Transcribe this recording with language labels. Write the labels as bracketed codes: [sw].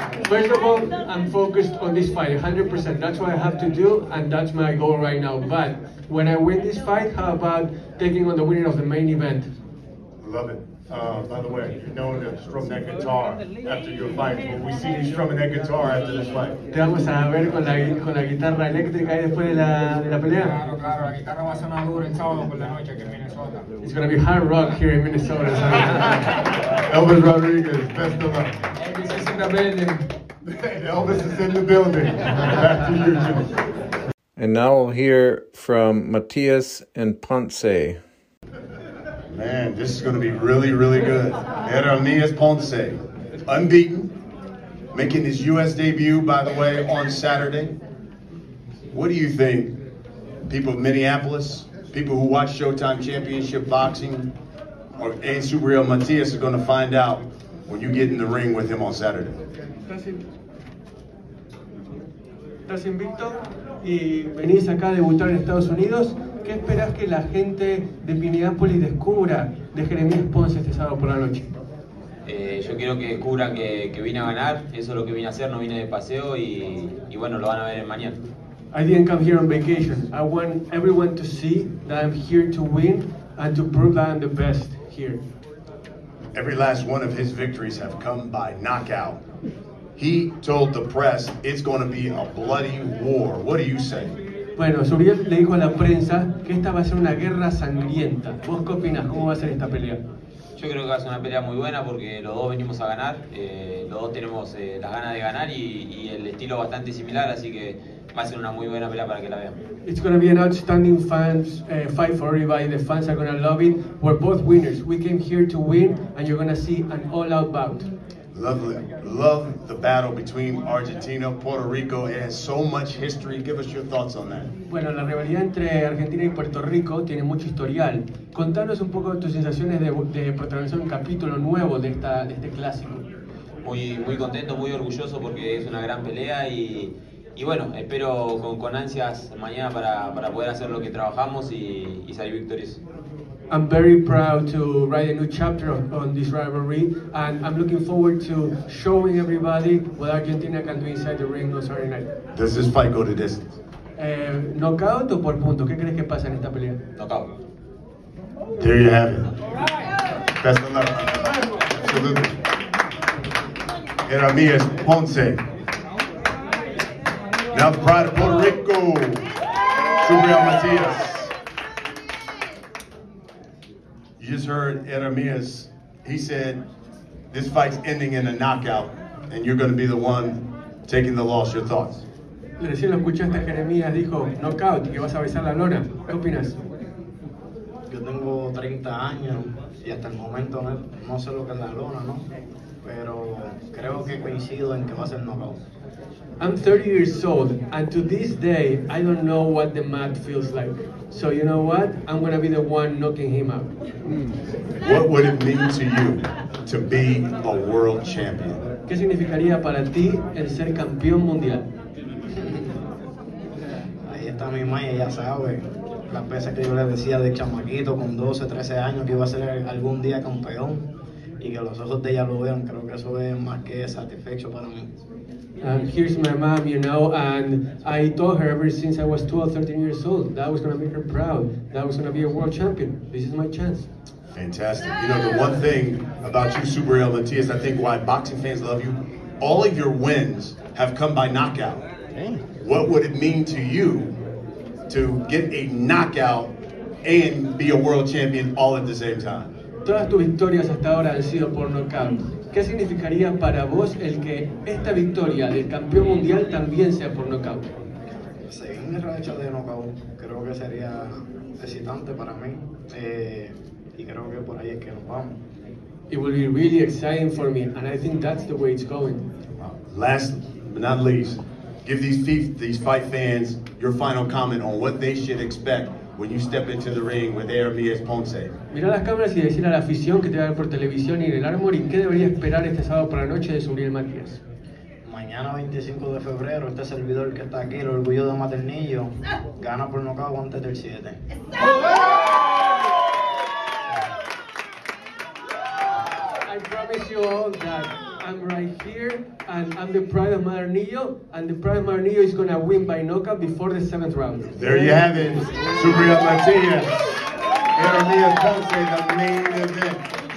[en] First of all, I'm focused on this fight, 100%. That's what I have to do, and that's my goal right now. But when I win this fight, how about taking on the winner of the main event? Love it. By the way, you're known to strum that guitar after your fight. Will we see you strumming that guitar after this fight? [es] Te vamos a ver con la guitarra eléctrica y después de la pelea. Claro, claro. La guitarra va a sonar duro el sábado por la noche aquí en Minnesota. [en] It's going to be hard rock here in Minnesota. Elvis Rodriguez, best of luck. Elvis is in the building. Elvis is in the building. Back to you, Jim. And now we'll hear from Matias and Ponce. Man, this is going to be really, really good. Hermes Ponce, unbeaten, making his U.S. debut, by the way, on Saturday. What do you think, people of Minneapolis, people who watch Showtime Championship Boxing, or A. Subriel Matias is going to find out when you get in the ring with him on Saturday? [es] Estás invicto y venís acá a debutar en Estados Unidos. ¿Qué esperas que la gente de Minneapolis descubra de Jeremías Ponce este sábado por la noche? Yo quiero que descubran que vine a ganar. Eso es lo que vine a hacer. No vine de paseo y bueno, lo van a ver mañana. [en] I didn't come here on vacation. I want everyone to see that I'm here to win and to prove that I'm the best here. Every last one of his victories have come by knockout. He told the press it's going to be a bloody war. What do you say? [es] Bueno, Subriel le dijo a la prensa que esta va a ser una guerra sangrienta. ¿Vos qué opinas? ¿Cómo va a ser esta pelea? Yo creo que va a ser una pelea muy buena porque los dos venimos a ganar. Los dos tenemos las ganas de ganar y el estilo bastante similar, así que va a ser una muy buena pelea para que la vean. [en] It's going to be an outstanding fans fight for everybody. The fans are going to love it. We're both winners. We came here to win and you're going to see an all-out bout. Lovely. Love the battle between Argentina, Puerto Rico. It has so much history. Give us your thoughts on that. [es] Bueno, la rivalidad entre Argentina y Puerto Rico tiene mucho historial. Contanos un poco de tus sensaciones de protagonizar un capítulo nuevo de este clásico. Muy, muy contento, muy orgulloso porque es una gran pelea y bueno, espero con ansias mañana para poder hacer lo que trabajamos y salir victorioso. [en] I'm very proud to write a new chapter on this rivalry, and I'm looking forward to showing everybody what Argentina can do inside the ring on Saturday night. Does this fight go to distance? [es] Knockout o por punto? ¿Qué crees que pasa en esta pelea? [en] Knockout. There you have it. Right. Best of luck. Absolutely. Jeremías Ponce. Now the pride of Puerto Rico. Subriel Matias. You just heard Jeremías. He said this fight's ending in a knockout, and you're going to be the one taking the loss. Your thoughts? [es] Recién lo escuchaste, Jeremías dijo knockout, que vas a besar la lona. ¿Qué opinas? Yo tengo 30 años y hasta el momento no sé lo que es la lona, ¿no? Pero creo que coincido en que va a ser knockout. [en] I'm 30 years old, and to this day, I don't know what the mat feels like. So you know what? I'm going to be the one knocking him out. What would it mean to you to be a world champion. [es] ¿Qué significaría para ti el ser campeón mundial? Ahí está mi mamá, ya sabe. Las veces que yo le decía de chamaquito con 12, 13 años que iba a ser algún día campeón y que los ojos de ella lo vean, creo que eso es más que satisfecho para mí. [en] Here's my mom, you know, and I told her ever since I was 12, 13 years old, that was going to make her proud, that I was going to be a world champion. This is my chance. Fantastic. You know, the one thing about you, Subriel Matias, I think why boxing fans love you, all of your wins have come by knockout. What would it mean to you to get a knockout and be a world champion all at the same time? [es] Todas tus victorias hasta ahora han sido por knockout. ¿Qué significaría para vos el que esta victoria del campeón mundial también sea por knockout? Seguir mi racha de knockout creo que sería excitante para mí. Y creo que por ahí es que nos vamos. [en] It will be really exciting for me, and I think that's the way it's going. Last but not least, give these fight fans your final comment on what they should expect when you step into the ring with ARBS Ponce. [es] Mira las cámaras y decir a la afición que te va a ver por televisión y en el Armory qué debería esperar este sábado por la noche de Subriel Matias. Mañana 25 de febrero, este servidor que está aquí, el orgullo de Maternillo, gana por nocaut antes del 7. [en] I promise you all that I'm right here and I'm the pride of Maternillo, and the pride of Maternillo is going to win by knockout before the 7th round. There you have it, Subriel Matias. Jeremia Ponce, the main event.